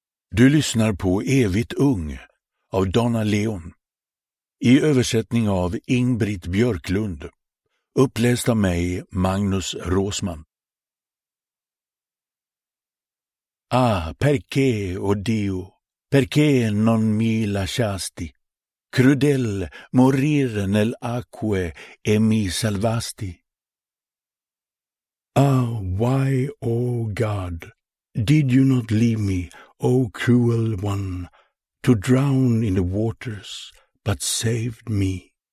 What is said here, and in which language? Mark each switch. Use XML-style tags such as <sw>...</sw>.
<sv>Du lyssnar på Evigt ung av Donna Leon i översättning av Ingrid Björklund, uppläst av mig Magnus Rosman.</sv> <it>Ah, perché oddio, perché non mi lasciasti? Crudel morir nel acque e mi salvasti?</it> <en>Ah, why, oh God, did you not leave me, O cruel one, to drown in the waters, but saved me.</en>